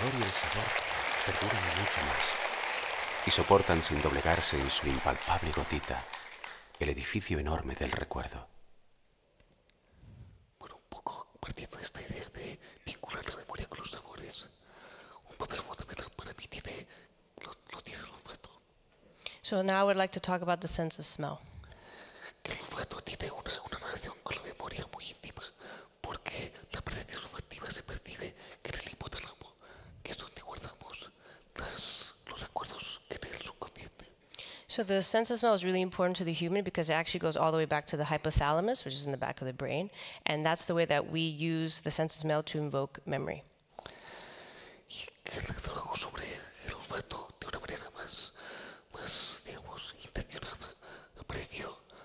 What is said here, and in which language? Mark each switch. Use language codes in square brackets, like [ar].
[es] sabor perduran mucho más y soportan sin doblegarse en su impalpable gotita el edificio enorme del recuerdo. Bueno, un poco partiendo de esta idea de vincular la memoria con los sabores, un papel fundamental para mí tiene, lo tiene el olfato. [en] So now I would like to talk about the sense of smell. [es] El olfato tiene una relación con la memoria muy íntima, porque la presencia olfativa se percibe en el hipotálamo, que es donde guardamos los recuerdos en el subconsciente. [en] So the sense of smell is really important to the human because it actually goes all the way back to the hypothalamus, which is in the back of the brain, and that's the way that we use the sense of smell to invoke memory. [es] Y el trabajo sobre el olfato de una manera más digamos, intencionada, apareció.